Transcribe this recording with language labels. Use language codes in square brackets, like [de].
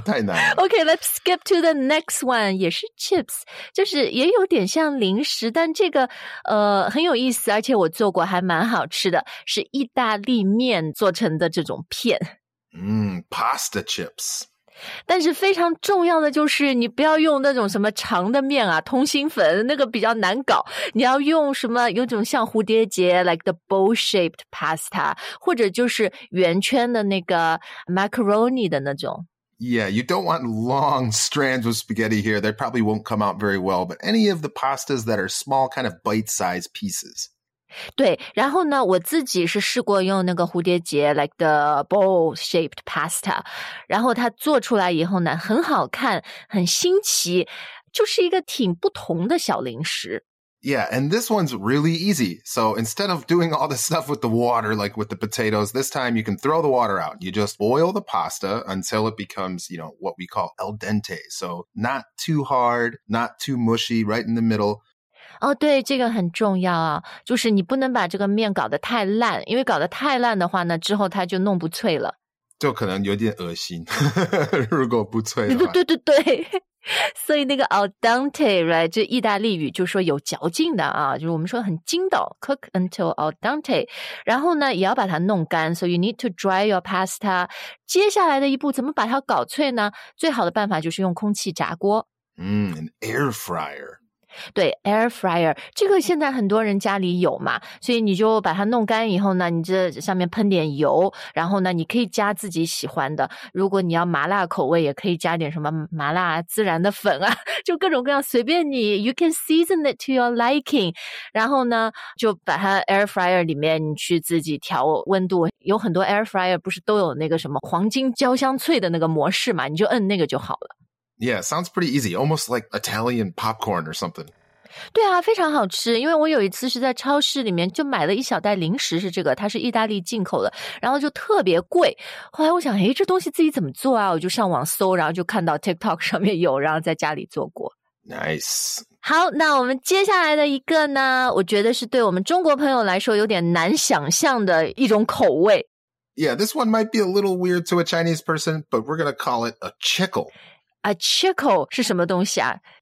[zh] 太难。 [en] Okay, let's skip to the next one. [zh] 也是 chips， 就是也有点像零食，但这个很有意思，而且我做过还蛮好吃的，是意大利面做成的这种片。 [en] Pasta chips. [zh] 但是非常重要的就是你不要用那种什么长的面啊，通心粉，那个比较难搞。你要用什么，有种像蝴蝶结 [en] like the bowl-shaped pasta， [zh] 或者就是圆圈的那个 macaroni 的那种。 [en] Yeah, you don't want long strands of spaghetti here. They probably won't come out very well, but any of the pastas that are small kind of bite-sized pieces. [zh] 对，然后呢我自己是试过用那个蝴蝶结 [en] like the bowl shaped pasta， [zh] 然后它做出来以后呢很好看，很新奇，就是一个挺不同的小零食。 [en] Yeah, and this one's really easy. So instead of doing all the stuff with the water like with the potatoes, this time you can throw the water out. You just boil the pasta until it becomes, you know, what we call al dente. So not too hard, not too mushy, right in the middle. [zh] 哦，对，这个很重要啊，就是你不能把这个面搞得太烂，因为搞得太烂的话呢，之后它就弄不脆了，就可能有点恶心如果不脆的话。对对对对，所以那个 al dente， right， 就意大利语就说有嚼劲的啊，就是我们说很筋道， [en] cook until al dente， [zh] 然后呢也要把它弄干， [en] so you need to dry your pasta。 [zh] 接下来的一步怎么把它搞脆呢？最好的办法就是用空气炸锅， [en] an air fryer。 [zh] 对 ，air fryer 这个现在很多人家里有嘛，所以你就把它弄干以后呢，你这上面喷点油，然后呢，你可以加自己喜欢的，如果你要麻辣口味，也可以加点什么麻辣孜然的粉啊，就各种各样，随便你 ， [en] you can season it to your liking， [zh] 然后呢，就把它 air fryer 里面你去自己调温度，有很多 air fryer 不是都有那个什么黄金焦香脆的那个模式嘛，你就摁那个就好了。 [en] Yeah, sounds pretty easy, almost like Italian popcorn or something. [zh] 对啊，非常好吃，因为我有一次是在超市里面就买了一小袋零食，是这个，它是意大利进口的，然后就特别贵。后来我想，诶，这东西自己怎么做啊？我就上网搜，然后就看到 TikTok 上面有，然后在家里做过。 [en] Nice. [zh] 好，那我们接下来的一个呢，我觉得是对我们中国朋友来说有点难想象的一种口味。 [en] Yeah, this one might be a little weird to a Chinese person, but we're going to call it a chicle. [zh] A chicle 是什么东西啊